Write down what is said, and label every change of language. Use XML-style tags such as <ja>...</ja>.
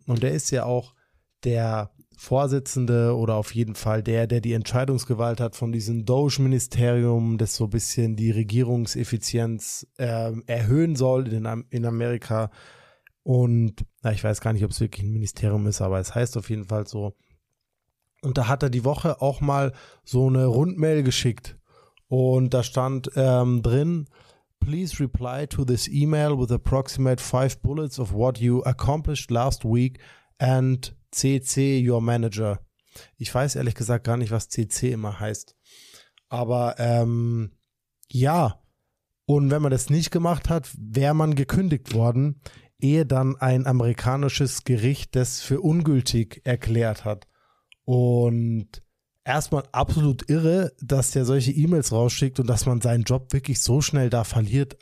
<de>Und er ist ja auch der Vorsitzende oder auf jeden Fall der, der die Entscheidungsgewalt hat von diesem Doge-Ministerium, das so ein bisschen die Regierungseffizienz erhöhen soll in Amerika. Und na, ich weiß gar nicht, ob es wirklich ein Ministerium ist, aber es heißt auf jeden Fall so. Und da hat er die Woche auch mal so eine Rundmail geschickt. Und da stand drin,</de> <en>please reply to this email with approximate 5 bullets of what you accomplished last week and CC your manager.</en> <de>Ich weiß ehrlich gesagt gar nicht, was CC immer heißt. Aber ja, und wenn man das nicht gemacht hat, wäre man gekündigt worden, ehe dann ein amerikanisches Gericht das für ungültig erklärt hat. Und erstmal absolut irre, dass der solche E-Mails rausschickt und dass man seinen Job wirklich so schnell da verliert.</de>